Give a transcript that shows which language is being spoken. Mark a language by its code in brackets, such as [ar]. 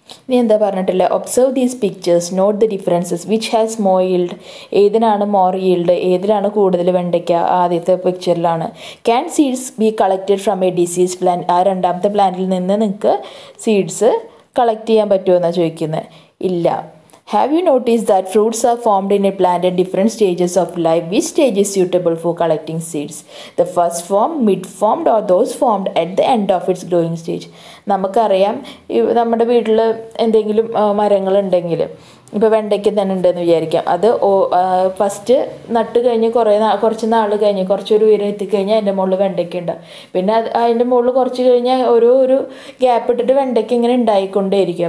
[ml] നീ എന്താ പറഞ്ഞിട്ടില്ലേ, [en] observe these pictures, note the differences, which has more yield, [ml] ഏതിനാണ് more yield, ഏതിലാണ് കൂടുതൽ വെണ്ടയ്ക്ക ആദ്യത്തെ പിക്ചറിലാണ്. [en] can seeds be collected from a disease plant, [ml] ആ രണ്ടാമത്തെ പ്ലാന്റിൽ നിന്ന് നിങ്ങൾക്ക് സീഡ്സ് കളക്ട് ചെയ്യാൻ പറ്റുമെന്നാണ് ചോദിക്കുന്നത്. ഇല്ല. [en] Have you noticed that fruits are formed in a plant at different stages of life? Which stage is suitable for collecting seeds? The first form, mid-formed, or those formed at the end of its growing stage? [ml] നമുക്കറിയാം നമ്മുടെ വീട്ടിൽ എന്തെങ്കിലും മരങ്ങളുണ്ടെങ്കിൽ ഇപ്പോൾ വെണ്ടയ്ക്ക് തന്നെ ഉണ്ടെന്ന് വിചാരിക്കാം. അത് first നട്ട് കഴിഞ്ഞ് കുറച്ച് നാൾ കഴിഞ്ഞ് കുറച്ചൊരു ഉയരം എത്തിക്കഴിഞ്ഞ് അതിൻ്റെ മുകളിൽ വെണ്ടയ്ക്ക ഉണ്ടാവും. പിന്നെ അത് അതിൻ്റെ മുകളിൽ കുറച്ച് കഴിഞ്ഞ് ഒരു ഗ്യാപ്പ് ഇട്ടിട്ട് വെണ്ടയ്ക്ക് ഇങ്ങനെ ഉണ്ടായിക്കൊണ്ടേ ഇരിക്കും.